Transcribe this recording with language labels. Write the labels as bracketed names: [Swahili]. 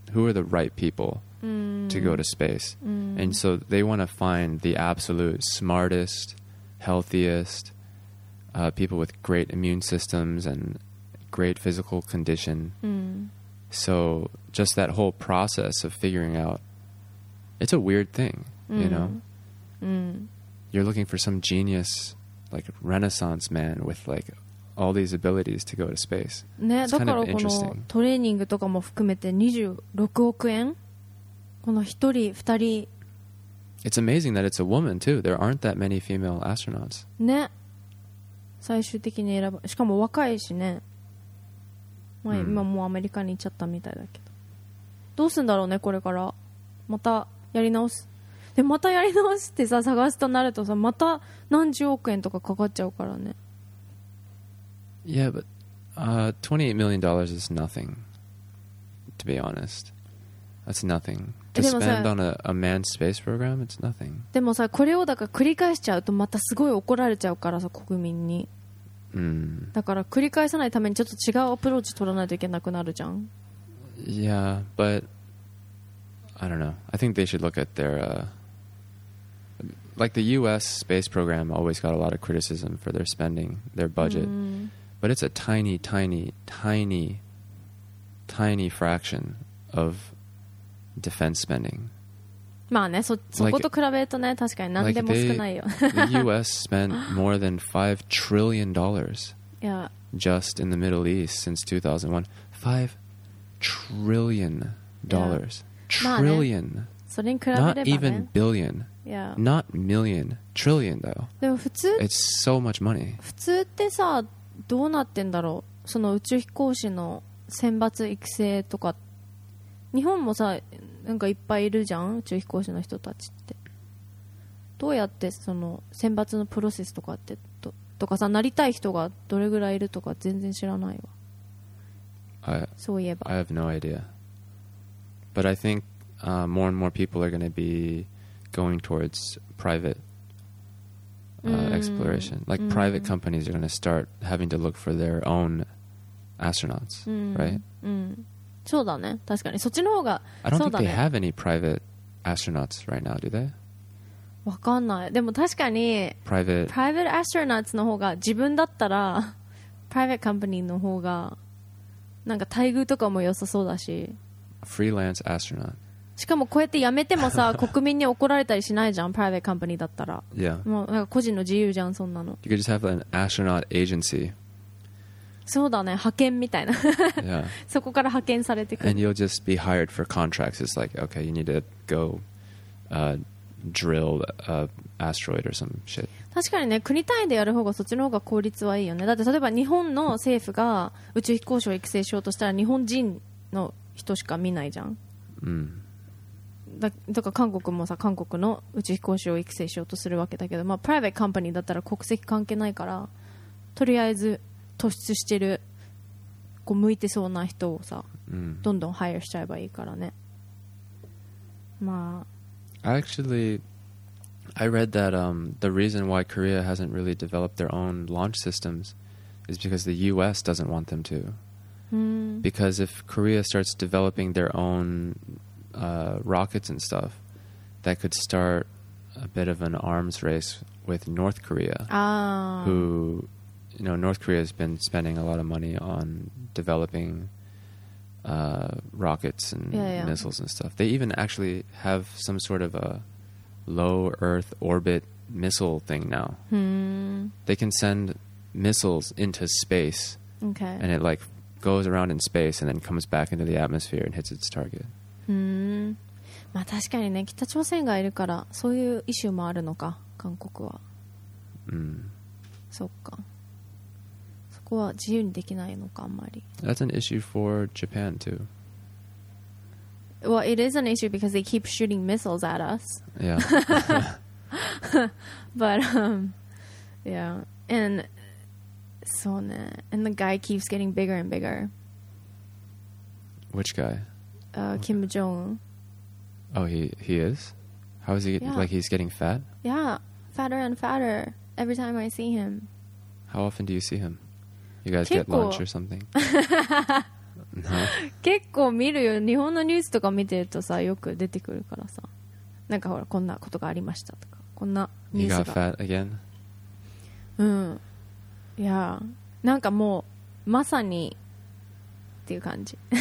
[English] who are the right people to go to space? And so they want to find the absolute smartest, healthiest, people with great immune systems and great physical condition. So just that whole process of figuring out, it's a weird thing, you know? You're looking for some genius, like Renaissance man with like all these abilities to go to space. [Japanese] ね、だからこのトレーニングとかも含めて26億円、この1人、2人。 [English] It's amazing that it's a woman too. There aren't that many female astronauts. [Japanese] ね、最終的に選ぶ、しかも若いしね。まあ、今もうアメリカに行っちゃったみたいだけど。どうすんだろうね、これから。またやり直す。でまたやり直してさ、探すとなるとさ、また何十億円とかかかっちゃうからね。 [English] Yeah, but $28 million is nothing, to be honest. That's nothing. To spend on a manned space program, it's nothing. [Japanese] でもさ、これをだから繰り返しちゃうとまたすごい怒られちゃうからさ、国民に。だから繰り返さないためにちょっと違うアプローチ取らないといけなくなるじゃん。 [English] Yeah, but I don't know. I think they should look at their... like the U.S. space program always got a lot of criticism for their spending, their budget. But it's a tiny, tiny, tiny, tiny fraction of defense spending. [Japanese] まあね、そこと比べるとね、確かに何でも少ないよ。 [English] The U.S. spent more than $5 trillion just in the Middle East since 2001. $5 trillion. Trillion. [Japanese] それに比べればね。 [English] Not even billion. Yeah. Not million, trillion though. [Japanese] でも普通、 [English] It's so much money. [Japanese] 普通ってさ、どうなってんだろう。その宇宙飛行士の選抜育成とか、日本もさ、なんかいっぱいいるじゃん、宇宙飛行士の人たちって。どうやってその選抜のプロセスとかってとかさ、なりたい人がどれぐらいいるとか全然知らないわ。そういえば。 [English] I have no idea. But I think, more and more people are going to be. Going towards private exploration. Like private companies are going to start having to look for their own astronauts, right? [Japanese] そうだね。確かに。そっちの方が、 [English] I don't think they have any private astronauts right now, do they? [Japanese] わかんない。でも確かに、 [English] private astronauts [Japanese] の方が、自分だったら、 [English] private company [Japanese] の方が、なんか待遇とかも良さそうだし。 [English] Freelance astronaut. [Japanese] しかもこうやって辞めてもさ、国民に怒られたりしないじゃん、プライベートカンパニーだったら。 [English] Yeah. [Japanese] もうなんか個人の自由じゃん、そんなの。 [English] You could just have an astronaut agency. [Japanese] そうだね、派遣みたいな。 [English] Yeah. [Japanese] そこから派遣されてくる。 [English] And you'll just be hired for contracts. It's like, okay, you need to go drill an asteroid or some shit. [Japanese] 確かにね、国単位でやる方がそっちの方が効率はいいよね。だって例えば日本の政府が宇宙飛行士を育成しようとしたら、日本人の人しか見ないじゃん。とか韓国もさ、韓国の宇宙飛行士を育成しようとするわけだけど、まあプライベートカンパニーだったら国籍関係ないから、とりあえず突出してる、こう向いてそうな人をさ、どんどんハイアしちゃえばいいからね。まあ、 [English] Actually, I read that the reason why Korea hasn't really developed their own launch systems is because the U.S. doesn't want them to. Because if Korea starts developing their ownrockets and stuff that could start a bit of an arms race with North Korea, who, you know, North Korea has been spending a lot of money on developing rockets and missiles and stuff. They even actually have some sort of a low Earth orbit missile thing now. They can send missiles into space, okay, and it like goes around in space and then comes back into the atmosphere and hits its target. [Japanese] まあ確かにね、北朝鮮がいるからそういうイシューもあるのか、韓国は。そっか、そこは自由にできないのか、あんまり。 [English] That's an issue for Japan too. Well, it is an issue because they keep shooting missiles at us. Yeah. But yeah. And [Japanese] そうね、 [English] and the guy keeps getting bigger and bigger. Which guy? Kim Jong-un. Oh, he is? How is he? Yeah. Like, he's getting fat? Yeah, fatter and fatter every time I see him. How often do you see him? You guys get lunch or something? [Japanese] 結構見るよ。日本のニュースとか見てるとさ、よく出てくるからさ、なんかほらこんなことがありましたとか、こんなニュースが。 [English] You got fat again? [Japanese] うん。いや、なんかもうまさにっていう感じ。